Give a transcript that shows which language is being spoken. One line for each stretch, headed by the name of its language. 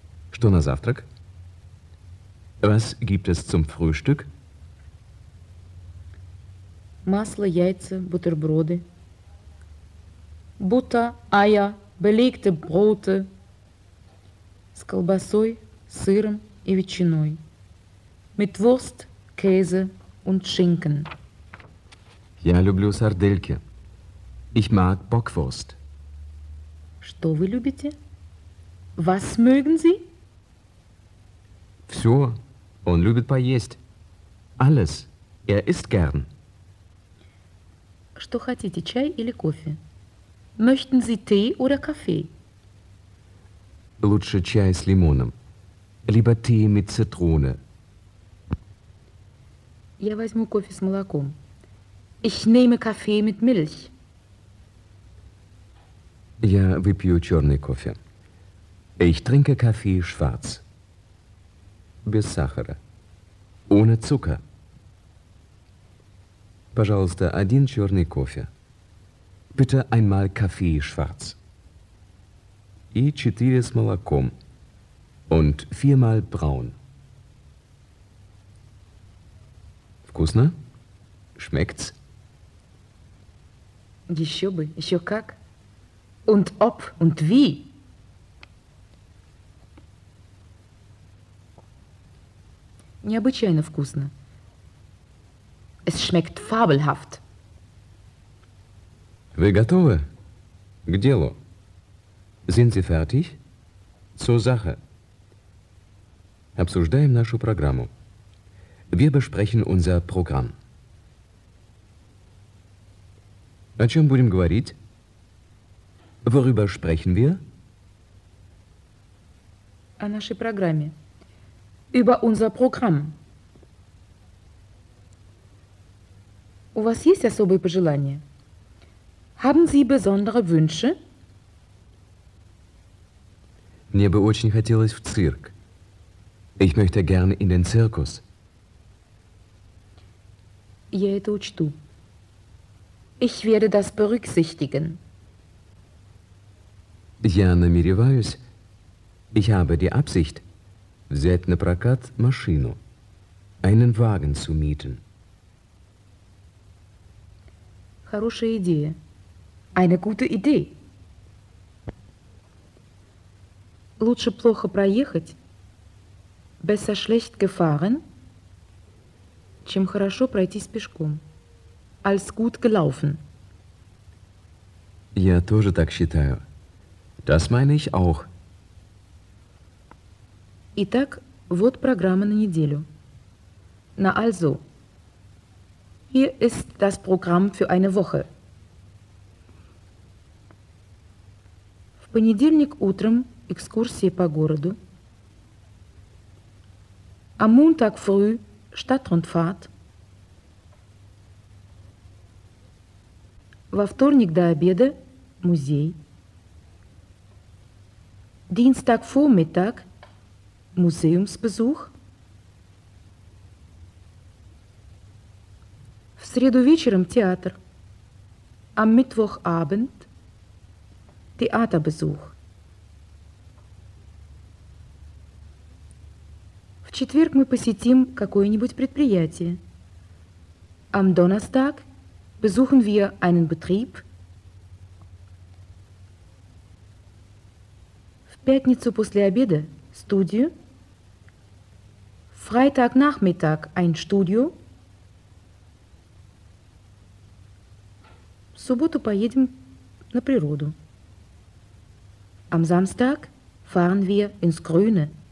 Russian: Что на завтрак?
German: Was gibt es zum Frühstück?
Russian: Масло, яйца, бутерброды. Бута, ая,
German: belegte Brote.
Russian: С колбасой, сыром и ветчиной.
German: Mit Wurst, Käse und Schinken.
Russian: Я люблю сардельки.
German: Ich mag Bockwurst.
Russian: Что вы любите?
German: Was mögen Sie?
Russian: Все. Он любит поесть.
German: Alles. Er isst gern.
Russian: Что хотите, чай или кофе?
German: Möchten Sie Tee oder Kaffee?
Russian: Лучше чай с лимоном. Либо
German: Tee mit Zitrone.
Russian: Я возьму кофе с молоком.
German: Ich nehme Kaffee mit Milch.
Russian: Я выпью черный кофе.
German: Ich trinke Kaffee schwarz.
Russian: Без сахара.
German: Ohne Zucker.
Russian: Пожалуйста, один черный кофе.
German: Bitte einmal Kaffee schwarz.
Russian: И четыре с молоком.
German: Und viermal braun.
Russian: Вкусно?
German: Schmeckt's?
Russian: Еще бы, еще как.
German: Und ob, und wie.
Russian: Необычайно вкусно.
German: Es schmeckt fabelhaft.
Russian: Вы готовы? К делу.
German: Sind Sie fertig? Zur Sache.
Russian: Обсуждаем нашу программу.
German: Wir besprechen unser Programm.
Russian: О чем будем говорить?
German: Worüber sprechen wir?
Russian: О нашей программе.
German: Über unser Programm.
Russian: У вас есть особые пожелания?
German: Haben Sie besondere Wünsche?
Russian: Мне бы очень хотелось в цирк.
German: Ich möchte gerne in den Zirkus.
Russian: Я это учту.
German: Ich werde das berücksichtigen.
Russian: Я намереваюсь.
German: Ich habe die Absicht,
Russian: взять на прокат машину,
German: einen Wagen zu mieten.
Russian: Хорошая идея.
German: Eine gute Idee.
Russian: Лучше плохо проехать,
German: besser schlecht gefahren,
Russian: чем хорошо пройтись пешком,
German: als gut gelaufen.
Russian: Я тоже так считаю.
German: Das meine ich auch.
Russian: Итак, вот программа на неделю.
German: Na also. Hier ist das Programm für eine Woche.
Russian: В понедельник утром экскурсии по городу.
German: Am Montag früh Stadtrundfahrt.
Russian: Во вторник до обеда музей.
German: Dienstagvormittag Museumsbesuch.
Russian: В среду вечером театр.
German: Am Mittwochabend Theaterbesuch.
Russian: В четверг мы посетим какое-нибудь предприятие.
German: Am Donnerstag besuchen wir einen Betrieb.
Russian: В пятницу после обеда – студию.
German: Freitagnachmittag – ein Studio.
Russian: В субботу поедем на природу.
German: Am Samstag fahren wir ins Grüne.